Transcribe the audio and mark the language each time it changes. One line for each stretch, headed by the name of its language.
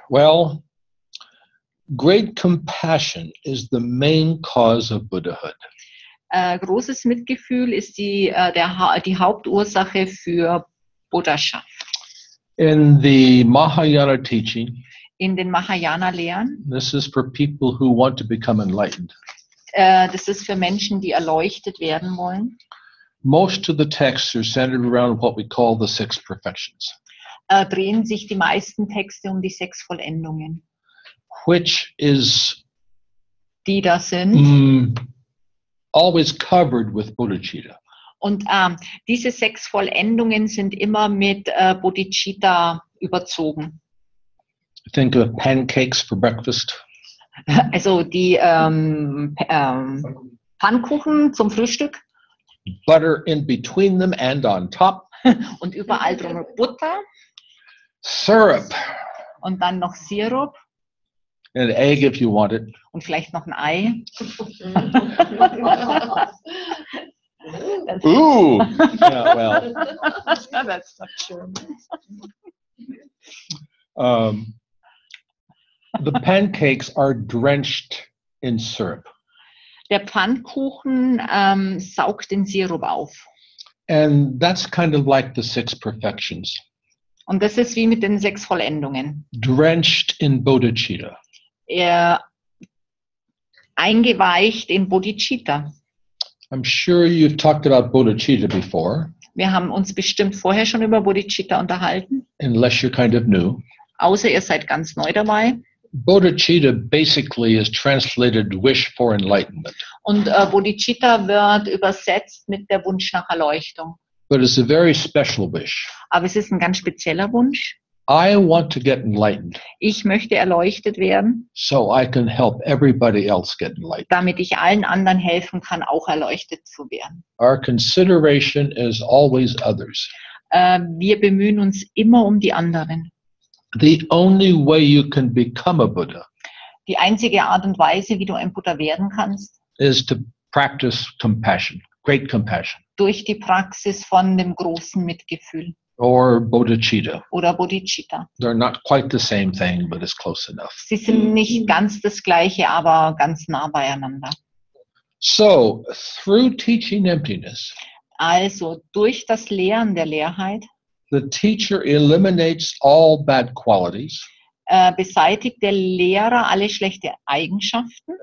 English: Well, great compassion is the main cause of Buddhahood.
German: Großes Mitgefühl ist die Hauptursache für Buddhaschaft.
English: In the Mahayana teaching.
German: In den Mahayana Lehren.
English: This is for people who want to become enlightened.
German: Das ist für Menschen, die erleuchtet werden wollen.
English: Most of the texts are centered around what we call the six perfections.
German: Drehen sich die meisten Texte um die sechs Vollendungen.
English: Which is.
German: Die da sind.
English: Always covered with bodhicitta.
German: Und diese sechs Vollendungen sind immer mit bodhicitta überzogen.
English: Think of pancakes for breakfast.
German: Also die Pfannkuchen zum Frühstück.
English: Butter in between them and on top.
German: Und überall drum Butter.
English: Syrup.
German: Und dann noch Sirup.
English: An egg if you want it.
German: Und vielleicht noch ein Ei.
English: Ooh. Yeah, well. That's not true. The pancakes are drenched in syrup.
German: Der Pfannkuchen saugt den Sirup auf.
English: And that's kind of like the six perfections.
German: Und das ist wie mit den sechs Vollendungen.
English: Drenched in bodhicitta.
German: Er eingeweicht in bodhicitta.
English: I'm sure you've talked about bodhicitta before.
German: Wir haben uns bestimmt vorher schon über bodhicitta unterhalten.
English: Unless you're kind of new.
German: Außer ihr seid ganz neu dabei.
English: Bodhicitta basically is translated wish for enlightenment.
German: Und Bodhicitta wird übersetzt mit der Wunsch nach Erleuchtung.
English: But it's a very special wish.
German: Aber es ist ein ganz spezieller Wunsch.
English: I want to get enlightened.
German: Ich möchte erleuchtet werden.
English: So I can help everybody else get enlightened.
German: Damit ich allen anderen helfen kann, auch erleuchtet zu werden.
English: Our consideration is always others.
German: Wir bemühen uns immer um die anderen.
English: The only way you can become a Buddha.
German: Die einzige Art und Weise, wie du ein Buddha werden kannst,
English: is to practice compassion, great compassion.
German: Durch die Praxis von dem großen Mitgefühl.
English: Or bodhicitta.
German: Oder bodhicitta.
English: They're not quite the same thing, but it's close enough.
German: Sie sind nicht ganz das gleiche, aber ganz nah beieinander.
English: So, through teaching emptiness.
German: Also durch das Lehren der Leerheit.
English: The teacher eliminates all bad qualities.
German: Beseitigt der Lehrer alle schlechte Eigenschaften.